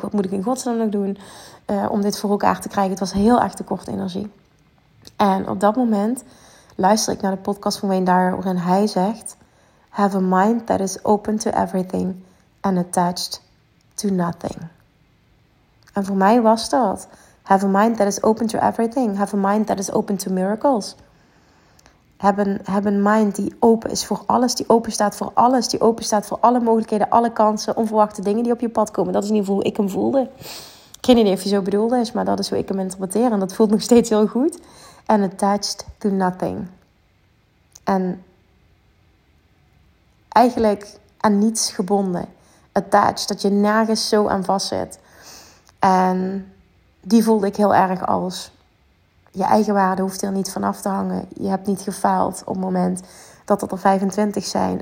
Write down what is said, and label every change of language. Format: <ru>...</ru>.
<nl>Wat moet ik in godsnaam nog doen om dit voor elkaar te krijgen? Het was heel erg tekort energie. En op dat moment luister ik naar de podcast van Wayne Dyer, waarin hij zegt,</nl> <en>have a mind that is open to everything and attached to nothing.</en> <nl>En voor mij was dat,</nl> <en>have a mind that is open to everything. Have a mind that is open to miracles.</en> <nl>Heb een mind die open is voor alles. Die open staat voor alles. Die open staat voor alle mogelijkheden, alle kansen, onverwachte dingen die op je pad komen. Dat is in ieder geval hoe ik hem voelde. Ik weet niet of je zo bedoeld is, maar dat is hoe ik hem interpreteer. En dat voelt nog steeds heel goed.</nl> <en>And attached to nothing.</en> <nl>En eigenlijk aan niets gebonden. Attached, dat je nergens zo aan vast zit. En die voelde ik heel erg als, je eigen waarde hoeft er niet van af te hangen. Je hebt niet gefaald op het moment dat het er 25 zijn.</nl>